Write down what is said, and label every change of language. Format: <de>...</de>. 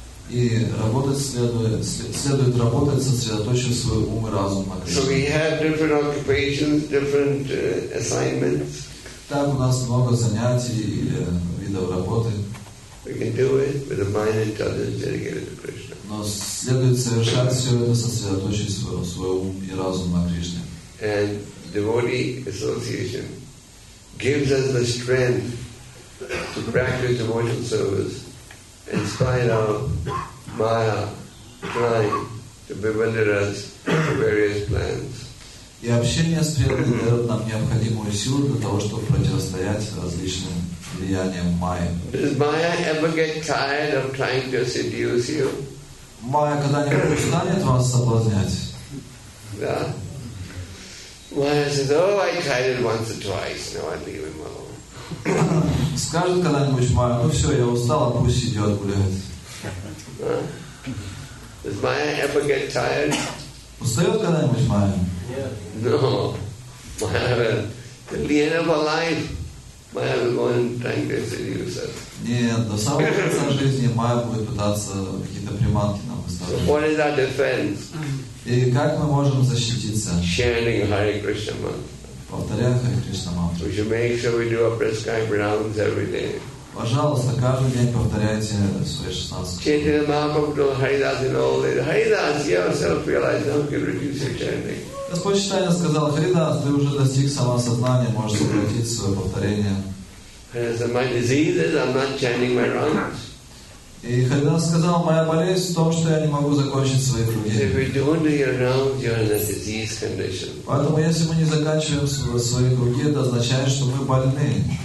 <ru>И работать следует работать, сосредоточив свой ум и разум на Кришне. Так у нас много занятий или видов работы.</ru> <en>We can do it with a mind and intelligence dedicated to Krishna.</en> <ru>Но следует совершать все это, сосредоточить свой ум и разум на Кришне.</ru> <en>And devotee association gives us the strength to practice devotional service in spite of Maya trying to bewilder us to various plans.</en> <ru>И общение с преданными дает нам необходимую силу для того, чтобы противостоять различным влияниям Майи.</ru> <en>Does Maya ever get tired of trying to seduce you?</en> <ru>Майя когда-нибудь устанет вас соблазнять? Да.</ru> <en>Майя says, oh, I tried it once or twice, now I'm leaving my home.</en> <ru>Скажет когда-нибудь Майя, ну все, я устала, пусть идет гуляет.</ru> <en>Does Maya ever get tired?</en> <ru>Устает когда-нибудь Майя?</ru> <en>No, Maya, till the end of her life, Maya will go and try to seduce us.</en> <ru>Нет, до самого конца жизни Maya будет пытаться какие-то приманки нам выставить.</ru> <en>So what is our defense?</en> <ru>И как мы можем защититься?</ru> <en>Chanting Hare Krishna mantra.</en> <ru>Повторяя Hare Krishna mantra.</ru> <en>We should make sure we do our prescribed rounds every day.</en> <ru>Пожалуйста, каждый день повторяйте свои 16.</ru> <en>Chanting the mantra to Haridas in all days. Haridas, you yourself realize how you reduce your chanting.</en> <ru>Господь Читания сказал, Харидас, ты уже достиг самосознания, можешь сократить свое повторение. И Харидас сказал, моя болезнь в том, что я не могу закончить свои круги. Поэтому если мы не заканчиваем свои круги, это означает, что мы больны.</ru>